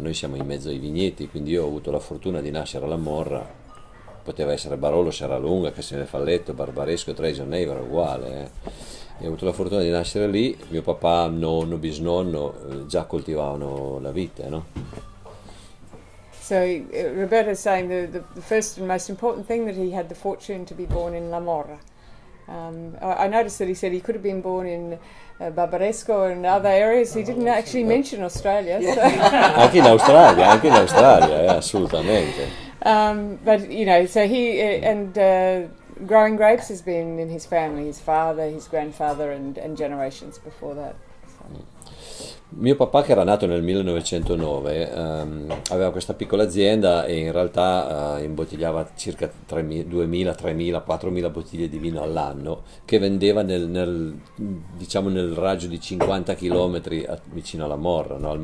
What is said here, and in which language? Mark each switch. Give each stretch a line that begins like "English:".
Italian: Noi siamo in mezzo ai vigneti, quindi io ho avuto la fortuna di nascere alla Morra. Poteva essere Barolo, Serralunga, Cassino Falletto, Barbaresco, Treggio, Nevero, uguale. E ho avuto la fortuna di nascere lì. Mio papà, nonno, bisnonno già coltivavano la vite, no?
English: So Roberto is saying the first and most important thing that he had the fortune to be born in La Morra. I noticed that he said he could have been born in Barbaresco and other areas. He didn't actually mention Australia.
Italian: Yeah. Anche in Australia, anche in Australia, assolutamente.
English: But you know, so he and growing grapes has been in his family, his father, his grandfather, and generations before that.
Italian: Mio papà, che era nato nel 1909, aveva questa piccola azienda e in realtà imbottigliava circa 2.000, 3.000, 4.000 bottiglie di vino all'anno, che vendeva nel raggio di 50 km vicino alla Morra, no?